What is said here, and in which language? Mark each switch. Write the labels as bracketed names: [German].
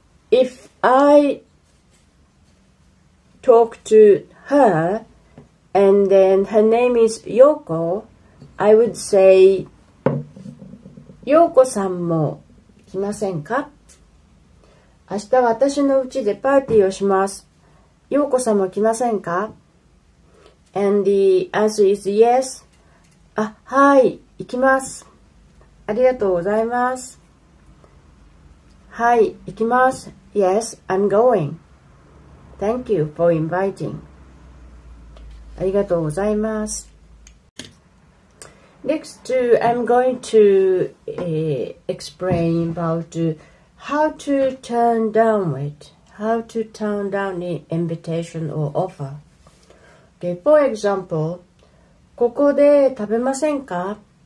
[English] If I talk to her, and then her name is Yoko, I would say, Yoko [Japanese] さんも来ませんか? 明日私のうちでパーティーをします。 Yoko さんも来ませんか? [English] And the answer is yes. [Japanese] はい、行きます。ありがとうございます。はい、行きます。 [English] Yes, I'm going. Thank you for inviting. [Japanese] ありがとうございます。 [English] Next, I'm going to explain about how to turn down it, how to turn down the invitation or offer. Okay, for example, [Japanese] ここで食べませんか?